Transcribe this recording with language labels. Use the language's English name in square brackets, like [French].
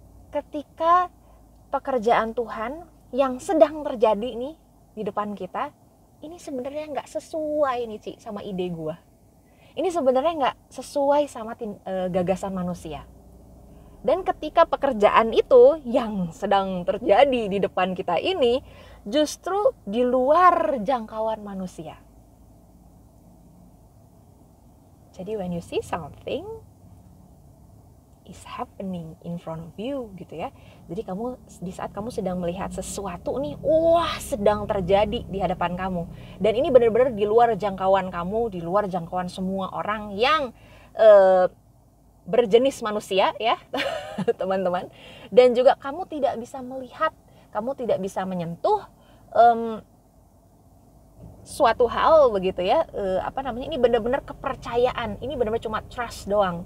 [Indonesian] Ketika pekerjaan Tuhan yang sedang terjadi nih di depan kita, ini sebenarnya gak sesuai nih Ci sama ide gue. Ini sebenarnya gak sesuai sama gagasan manusia. Dan ketika pekerjaan itu yang sedang terjadi di depan kita ini justru di luar jangkauan manusia. [English] Jadi when you see something is happening in front of you gitu ya. [Indonesian] Jadi kamu di saat kamu sedang melihat sesuatu nih, wah sedang terjadi di hadapan kamu. Dan ini benar-benar di luar jangkauan kamu, di luar jangkauan semua orang yang berjenis manusia ya, teman-teman. Dan juga kamu tidak bisa melihat, kamu tidak bisa menyentuh suatu hal begitu ya, ini benar-benar kepercayaan, ini benar-benar cuma trust doang.